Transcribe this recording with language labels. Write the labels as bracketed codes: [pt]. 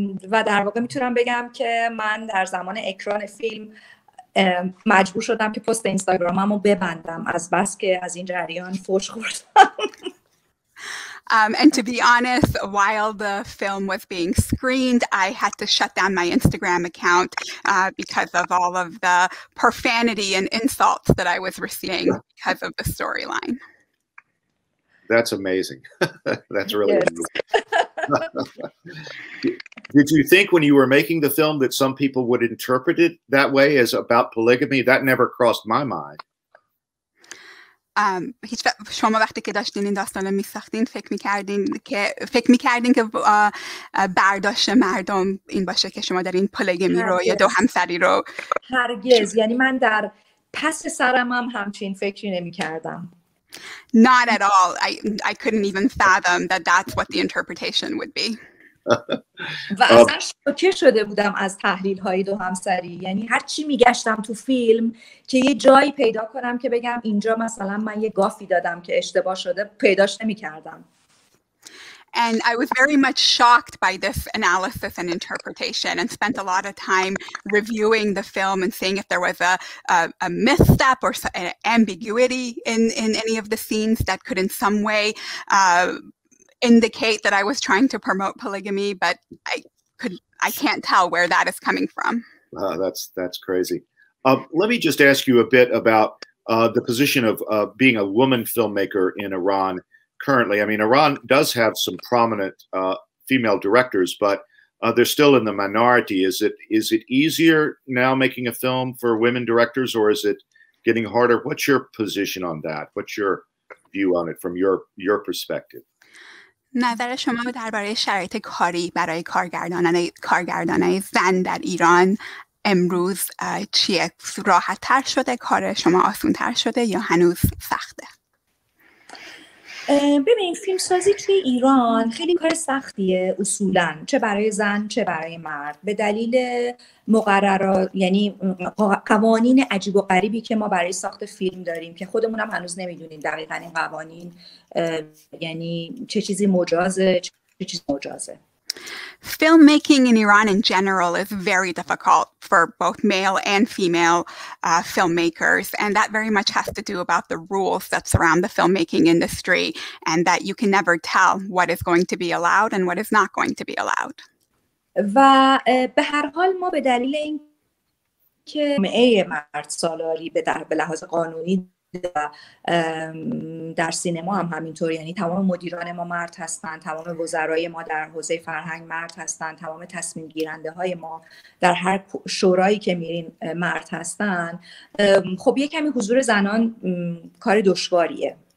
[fa] و در واقع میتونم بگم که من در زمان اکران فیلم مجبور شدم که پست اینستاگرامم رو ببندم از بس که از این جریان فوش خوردم. [en] And to be honest, while the film was being screened, I had to shut down my Instagram account because of all of the profanity and insults that I was receiving because of the storyline. That's amazing. That's really amazing. Did you think when you were making the film that some people would interpret it that way as about polygamy? That never crossed my mind. [fa] شما وقتی که داشتین این داستان رو میساختین فکر میکردین که برداشت مردم این باشه که شما دارین پولیگمی رو یا دو همسری رو؟ هرگز. یعنی من در پس سرم هم همچین فکری نمیکردم. [en] Not at all. I couldn't even fathom that that's what the interpretation would be. [fa] و اصلا شوکه شده بودم از تحلیل های دو همسری. یعنی هر چی میگشتم تو فیلم که یه جایی پیدا کنم که بگم اینجا مثلا من یه گافی دادم که اشتباه شده، پیداش نمی کردم. [en] And I was very much shocked by this analysis and interpretation, and spent a lot of time reviewing the film and seeing if there was a misstep or an ambiguity in any of the scenes that could in some way indicate that I was trying to promote polygamy, but I can't tell where that is coming from. That's crazy. Let me just ask you a bit about the position of being a woman filmmaker in Iran currently. I mean, Iran does have some prominent female directors, but they're still in the minority. Is it easier now making a film for women directors, or is it getting harder? What's your position on that? What's your view on it from your perspective? [fa] نظر شما درباره شرایط کاری برای کارگردانای زن در ایران امروز چیه؟ راحت تر شده کار شما، آسون تر شده یا هنوز سخته؟ ببین، فیلم سازی توی ایران خیلی کار سختیه اصولا، چه برای زن چه برای مرد، به دلیل مقررات، یعنی قوانین عجیب و غریبی که ما برای ساخت فیلم داریم که خودمونم هنوز نمیدونیم دقیقا این قوانین یعنی چه چیزی مجازه چه چیزی مجازه. [en] Filmmaking in Iran in general is very difficult for both male and female filmmakers, and that very much has to do about the rules that surround the filmmaking industry, and that you can never tell what is going to be allowed and what is not going to be allowed. [fa] و به هر حال ما به دلیل اینکه مرد سالاری به لحاظ قانونی و در سینما هم همینطور، یعنی تمام مدیران ما مرد هستن، تمام وزرای ما در حوزه فرهنگ مرد هستن، تمام تصمیم گیرنده های ما در هر شورایی که میرین مرد هستن، خب یه کمی حضور زنان کار دشواریه.